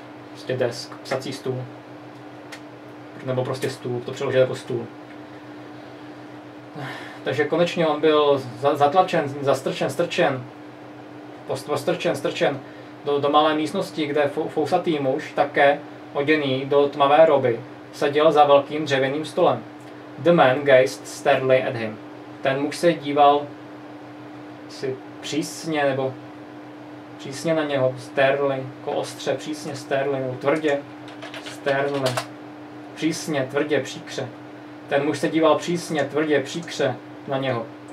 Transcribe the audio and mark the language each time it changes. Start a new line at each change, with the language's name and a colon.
Czech: Prostě desk, psací stůl. Nebo prostě stůl, to přeložit jako stůl. Takže konečně on byl zatlačen, zastrčen, strčen. Strčen do malé místnosti, kde fousatý muž, také oděný do tmavé roby, seděl za velkým dřevěným stolem.
English: The man gazed sternly at him.
Czech: Ten muž se díval si přísně, nebo přísně na něho, sternly, jako ostře, přísně sternly, nebo tvrdě, sternly, přísně, tvrdě, příkře. Ten muž se díval přísně, tvrdě, příkře na něho.